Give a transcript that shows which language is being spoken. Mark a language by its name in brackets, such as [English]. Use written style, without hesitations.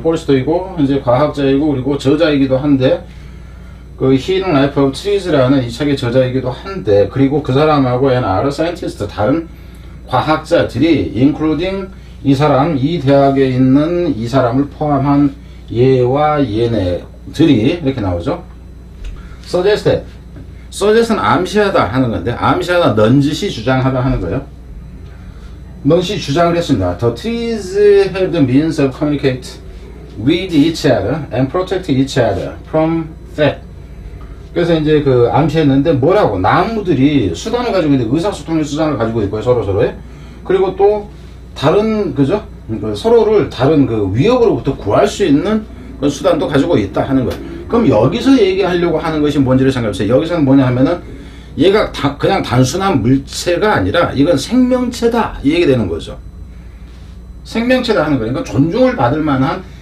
[Korean] 폴스토이고, 이제 과학자이고, 그리고 저자이기도 한데, 그 Healing Life of Trees라는 이 책의 저자이기도 한데, 그리고 그 사람하고 NR Scientist 다른 과학자들이 including 이 사람, 이 대학에 있는 이 사람을 포함한 얘와 얘네들이 이렇게 나오죠. Suggest는 암시하다 하는 건데, 암시하다, 넌지시 주장하다 하는 거예요. 넌지시 주장을 했습니다. [English] The trees have the means of communicate with each other and protect each other from threat. [Korean] 그래서 이제 그 암시했는데 뭐라고? 나무들이 수단을 가지고 있는데 의사소통의 수단을 가지고 있고요, 서로서로에. 그리고 또 다른, 그죠? 서로를 다른 그 위협으로부터 구할 수 있는 그 수단도 가지고 있다 하는 거예요. 그럼 여기서 얘기하려고 하는 것이 뭔지를 생각해보세요. 여기서는 뭐냐 하면은 얘가 그냥 단순한 물체가 아니라 이건 생명체다 이 얘기 되는 거죠. 생명체다 하는 거예요. 그러니까 존중을 받을 만한